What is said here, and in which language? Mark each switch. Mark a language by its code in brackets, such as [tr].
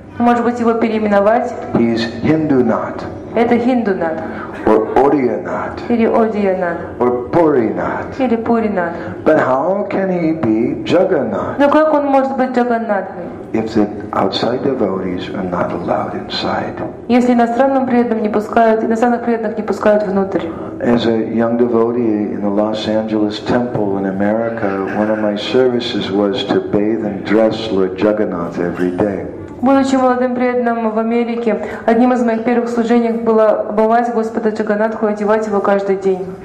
[ru] Может быть, его переименовать? [en] He is Hindunath. [ru] Это Hindunath. [en] Or Odianath. [ru] Или Odianath. [en] Or Purinath. [ru] Или Purinath. [en] But how can he be Jagannath? [ru] Но как он может быть Джаганнатхой? [en] If the outside devotees are not allowed inside. [ru] Если иностранным преданным не пускают, иностранных преданных не пускают внутрь. [en] As a young devotee in the Los Angeles temple in America, one of my services was to bathe and dress Lord Jagannath every day. [ru] Будучи молодым преданным в Америке, одним из моих первых служений было обувать Господа Джаганнатху и одевать его каждый день.